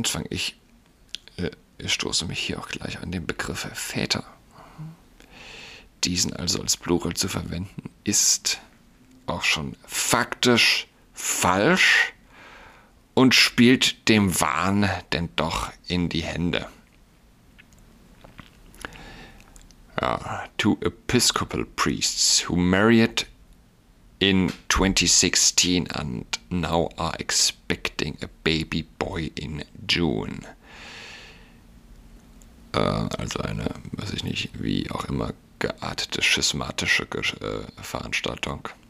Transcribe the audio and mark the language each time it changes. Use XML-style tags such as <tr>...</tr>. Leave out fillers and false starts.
<de>Ich stoße mich hier auch gleich an den Begriff Väter. Diesen also als Plural zu verwenden, ist auch schon faktisch falsch und spielt dem Wahn denn doch in die Hände.</de> <en>Ja, two Episcopal priests who married in 2016 and now are expecting a baby boy in June.</en> <de>Also eine, weiß ich nicht, wie auch immer geartete schismatische Veranstaltung.</de>